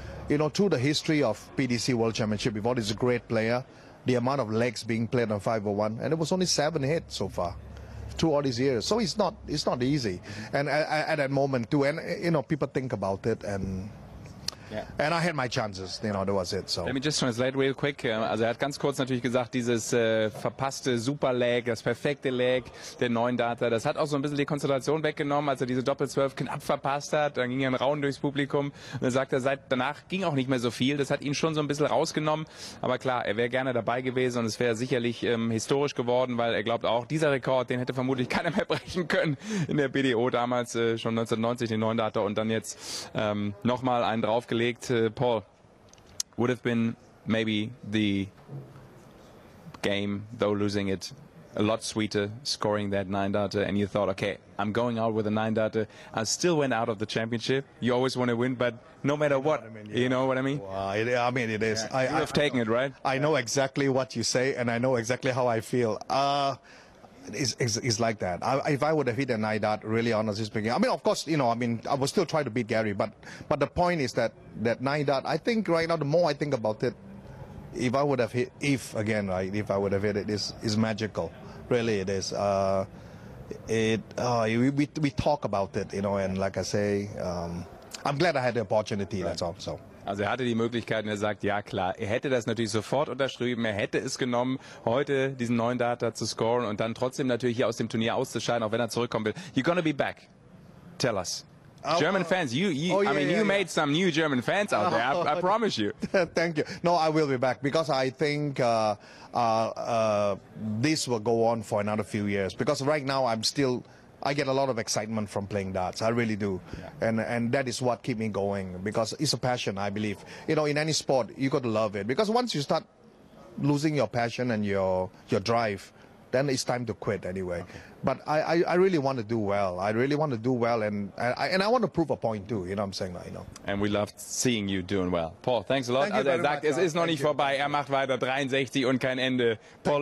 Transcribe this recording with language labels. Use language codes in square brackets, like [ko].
[en] You know, through the history of PDC World Championship, before, he's a great player. The amount of legs being played on 501, and it was only 7 hits so far, through all these years. So it's not easy. Mm-hmm. And at that moment too, and you know, people think about it, and yeah. And I had my chances. You know, that was it. So let me just translate real quick. [de] Also hat ganz kurz natürlich gesagt, dieses verpasste Superleg, das perfekte Leg der neuen Data. Das hat auch so ein bisschen die Konzentration weggenommen, als er diese Doppel-12 knapp verpasst hat. Dann ging er ein Raunen durchs Publikum. Und er sagt, seit danach ging auch nicht mehr so viel. Das hat ihn schon so ein bisschen rausgenommen. Aber klar, er wäre gerne dabei gewesen und es wäre sicherlich historisch geworden, weil er glaubt auch, dieser Rekord, den hätte vermutlich keiner mehr brechen können in der BDO damals, schon 1990, den neuen Data. Und dann jetzt nochmal einen draufgelegt. [en] Paul, would have been maybe the game, though losing it, a lot sweeter scoring that nine darter, and you thought, okay, I'm going out with a nine darter. I still went out of the championship. You always want to win, but no matter what, you know what I mean? Well, I mean, it is. Yeah. I have taken it, right? I know exactly what you say, and I know exactly how I feel. It's like that. If I would have hit a nine dart, really honestly speaking, I mean, of course, you know, I mean, I would still try to beat Gary, but the point is that nine dart, I think right now, the more I think about it, if I would have hit, if I would have hit it, it's magical. Really, it is. We talk about it, you know, and like I say, I'm glad I had the opportunity, right. That's all, so. [de] Also er hatte die Möglichkeit und er sagt, ja klar, er hätte das natürlich sofort unterschrieben, er hätte es genommen, heute diesen neuen Data zu scoren und dann trotzdem natürlich hier aus dem Turnier auszuscheiden, auch wenn er zurückkommen will. [en] You're gonna be back. Tell us. German fans, made some new German fans out there, I promise you. Thank you. No, I will be back because I think this will go on for another few years because right now I get a lot of excitement from playing darts. I really do. Yeah. And that is what keeps me going because it's a passion, I believe. You know, in any sport, you got to love it. Because once you start losing your passion and your drive, then it's time to quit anyway. Okay. But I really want to do well. I really want to do well. And I want to prove a point too. You know what I'm saying? You know. And we loved seeing you doing well. Paul, thanks a lot. Thank [de] also er sagt, [en] much, [de] es ist noch nicht [en] you. [de] Vorbei. Er macht weiter 63 und kein Ende. Paul